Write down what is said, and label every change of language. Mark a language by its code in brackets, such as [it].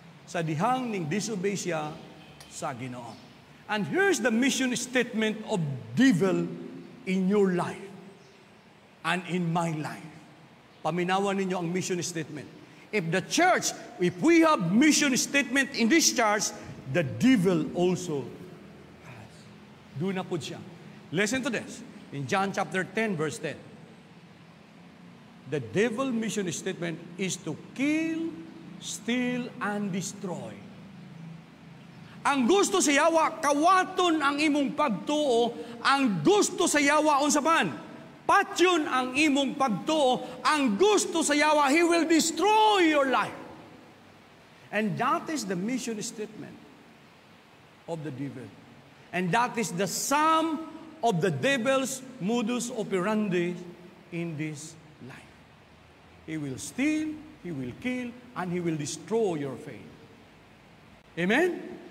[ceb] Sa dihang ning disobey siya sa Ginoo. [en] And here's the mission statement of devil in your life and in my life. [ceb] Paminawan ninyo ang mission statement. [en] If the church, if we have mission statement in this church, the devil also has. Do na po siya. Listen to this. In John chapter 10, verse 10. The devil mission statement is to kill, steal, and destroy. [ceb] Ang gusto sa Yawa, kawaton ang imong pagtuo. Ang gusto sa Yawa, unsapan, patyon ang imong pagtuo. Ang gusto sa Yawa, [en] he will destroy your life. And that is the mission statement of the devil. And that is the sum of the devil's modus operandi in this life. He will steal, he will kill, and he will destroy your faith. Amen?